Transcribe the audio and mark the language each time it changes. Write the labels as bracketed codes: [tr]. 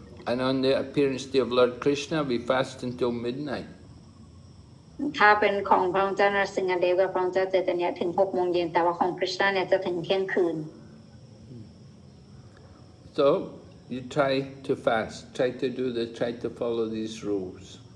[en] And on the appearance day of Lord Krishna, we fast until midnight. [th] ถ้าเป็นของพระองค์เจ้านรสิงหเดชกับพระองค์เจ้าเจตนาถึง6โมงเย็นแต่ว่าของคริชนาเนี่ยจะถึงเที่ยงคืน [en] So you try to fast, try to follow these rules.